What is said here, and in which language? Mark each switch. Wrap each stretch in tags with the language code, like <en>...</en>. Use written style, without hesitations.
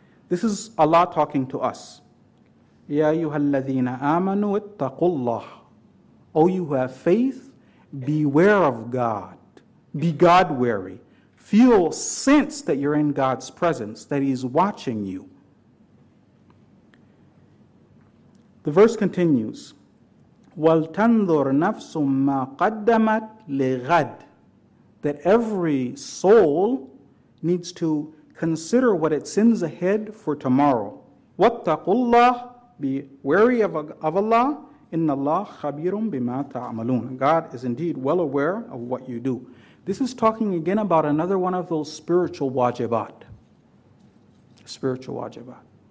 <en>This is Allah talking to us.</en> <ar>Ya ayyuhalladhina amanu ittaqullah.</ar> <en>O you who have faith, beware of God. Be God-wary. Feel sense that you're in God's presence, that He's watching you. The verse continues,</en> <ar>وَلْتَنْظُرْ نَفْسٌ مَا قَدَّمَتْ لِغَدْ.</ar> <en>That every soul needs to consider what it sends ahead for tomorrow.</en> <ar>وَاتَّقُوا اللَّهِ.</ar> <en>Be wary of Allah.</en> <ar>إِنَّ اللَّهَ خَبِيرٌ بِمَا تَعْمَلُونَ.</ar> <en>God is indeed well aware of what you do. This is talking again about another one of those spiritual wajibat. Spiritual wajibat.</en>